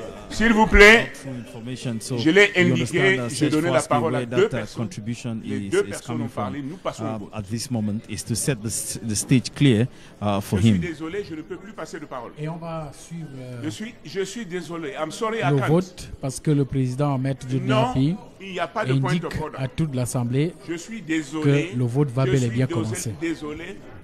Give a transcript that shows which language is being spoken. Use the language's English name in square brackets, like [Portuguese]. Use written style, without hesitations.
[French] S'il vous plaît, je l'ai indiqué, j'ai donné la parole à deux personnes. Les deux personnes ont parlé, nous passons au vote. [English] At this moment, is to set the stage clear for him. [French] Je suis désolé, je ne peux plus passer de parole. Et on va suivre. Je suis désolé. [English] I'm sorry. [French] Le vote, parce que le président Maître de Diapi indique à toute l'Assemblée que le vote va bel et bien commencer. Désolé.